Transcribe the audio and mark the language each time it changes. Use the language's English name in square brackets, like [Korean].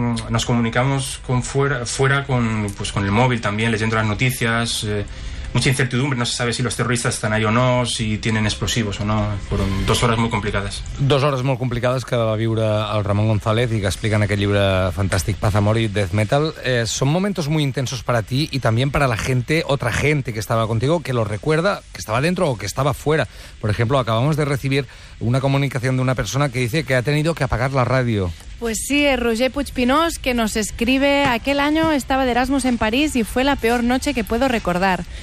[Spanish] Nos comunicamos con fuera con el móvil también, leyendo las noticias. Mucha incertidumbre, no se sabe si los terroristas están ahí o no, si tienen explosivos o no. Fueron dos horas [Catalan] molt complicades. Dos horas molt complicades que va viure el Ramon González i que explica en aquest llibre fantàstic Paz Amor i Death Metal. [Spanish] Son momentos muy intensos para ti y también para la gente, otra gente que estaba contigo, que lo recuerda, que estaba dentro o que estaba fuera. Por ejemplo, acabamos de recibir una comunicación de una persona que dice que ha tenido que apagar la radio. Pues sí, Roger Puigpinós, que nos escribe: aquel año estaba de Erasmus en París y fue la peor noche que puedo recordar.